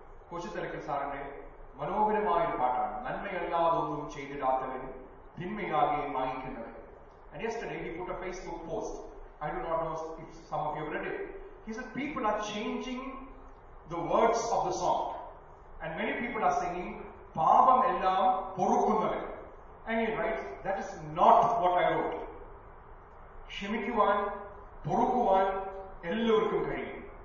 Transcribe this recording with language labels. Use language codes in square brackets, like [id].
[ml] കൊച്ചുതലക്കൽ സാറിന്റെ മനോഹരമായ ഒരു പാട്ടാണ്. നന്മയല്ലാതൊന്നും ചെയ്തിടാത്തവൻ തിന്മയാകെ വാങ്ങിക്കുന്നത്. [en] And yesterday he put a Facebook post. I do not know if some of you have read it. He said people are changing the words of the song. And many people are singing [ml] Pavam ellam porukkunnathu. [en] And he writes, that is not what I wrote. [ml] ക്ഷമിക്കുവാൻ പൊറുക്കുവാൻ എല്ലാവർക്കും കഴിയും.